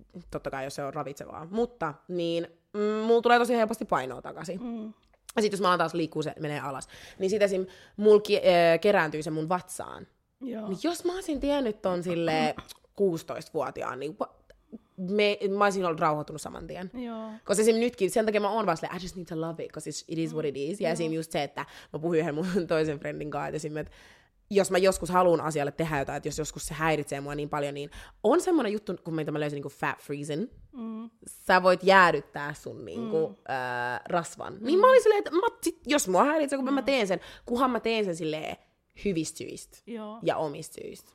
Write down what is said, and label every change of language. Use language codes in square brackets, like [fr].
[fi] Totta kai, jos se on ravitsevaa. Mutta, niin, mulla tulee tosi helposti painoa takaisin. Ja sit jos mä oon taas liikkuu, se menee alas. Niin sit esim. Mulki kerääntyy se mun vatsaan. Joo. Niin jos mä olisin tiennyt ton sille 16-vuotiaan, niin mä olisin ollut rauhoittunut saman tien. Joo. Koska esim. Nytkin, sen takia mä oon vaan silleen, [en] I just need to love it, because it is [fi] what it is. Ja esim. Just se, että mä puhuin yhden mun toisen friendin kanssa, että esim. Jos mä joskus haluan asialle tehdä jotain, että jos joskus se häiritsee mua niin paljon, niin on semmoinen juttu, kun mä löysin niin kuin fat freezing. Sä voit jäädyttää sun niin kuin, rasvan. Niin mä olin silleen, että jos mua häiritsee, kun mä teen sen, kunhan mä teen sen silleen hyvistä syistä ja omista syistä.